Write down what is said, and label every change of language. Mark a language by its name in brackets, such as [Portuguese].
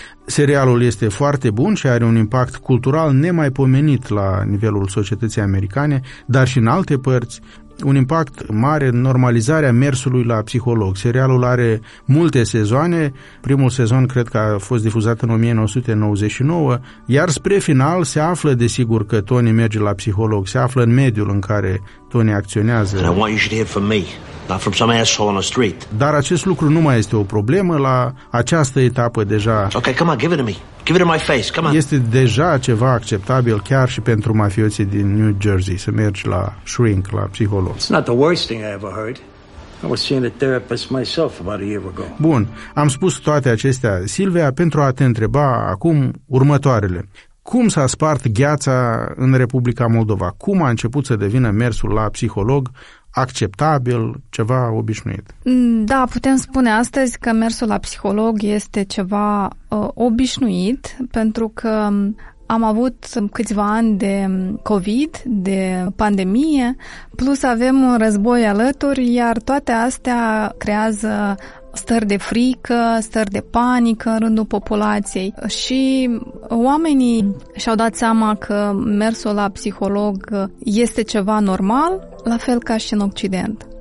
[Romanian] Serialul este foarte bun și are un impact cultural nemaipomenit la nivelul societății americane, dar și în alte părți, un impact mare în normalizarea mersului la psiholog. Serialul are multe sezoane, primul sezon cred că a fost difuzat în 1999, iar spre final se află, desigur, că Tony merge la psiholog, se află în mediul în care Tony acționează. [English] And I want you to hear from me, not from some asshole on the street. [Romanian] Dar acest lucru nu mai este o problemă la această etapă deja. [English] Okay, come on, give it to me. Give it to my face. Come on. [Romanian] Este deja ceva acceptabil chiar și pentru mafioții din New Jersey să mergi la shrink, la psiholog. [English] It's not the worst thing I ever heard. I was seeing a therapist myself about a year ago. [Romanian] Bun, am spus toate acestea, Silvia, pentru a te întreba acum următoarele. Cum s-a spart gheața în Republica Moldova? Cum a început să devină mersul la psiholog acceptabil, ceva obișnuit? Da, putem spune astăzi că mersul la psiholog este ceva obișnuit, pentru că am avut câțiva ani de COVID, de pandemie, plus avem un război alături, iar toate astea creează stări de frică, stări de panică în rândul populației și oamenii și-au dat seama că mersul la psiholog este ceva normal, la fel ca și în Occident.